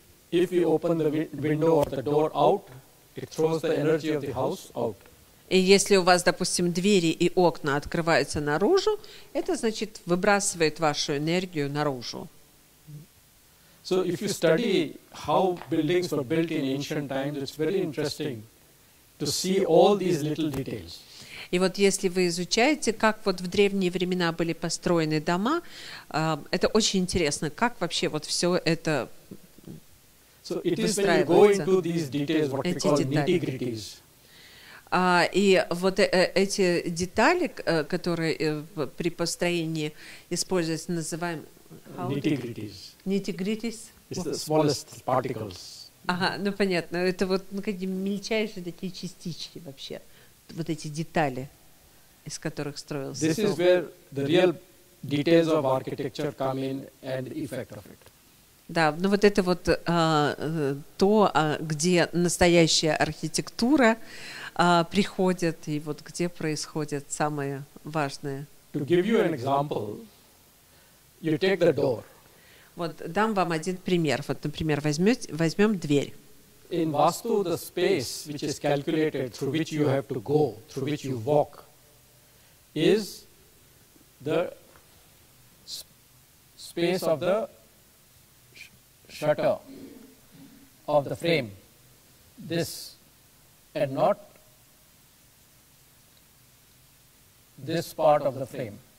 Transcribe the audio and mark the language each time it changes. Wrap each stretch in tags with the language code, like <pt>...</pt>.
<en>If you open the window or the door out, it throws the energy of the house out.</en> <ru>И если у вас, допустим, двери и окна открываются наружу, это значит выбрасывает вашу энергию наружу.</ru> <en>So if you study how buildings were built in ancient times, it's very interesting to see all these little details.</en> <ru>И вот если вы изучаете, как вот в древние времена были построены дома, это очень интересно, как вообще вот все это.</ru> <en>So it is when you go into these details, what</en> <ru>эти</ru> <en>we call</en> <ru>детали.</ru> <en>Nitty-gritties.</en> <ru>И вот эти детали, которые при построении используются, называем</ru> <en>nitty-gritties. Nitty-gritties. It's the smallest particles.</en> <ru>Ага, ну понятно. Это вот какие-то мельчайшие такие частички вообще. Вот эти детали, из которых строился.</ru> <en>This is where the real details of architecture come in and the effect of it.</en> <ru>Да, ну вот это вот то, где настоящая архитектура приходит, и вот где происходят самые важные.</ru> <en>To give you an example, you take the door.</en> <ru>Вот дам вам один пример. Вот, например, возьмем дверь.</ru> <en>In vastu, the space which is calculated through which you have to go, through which you walk, is the space of the shutter of the frame, this, and not this part of the frame.</en>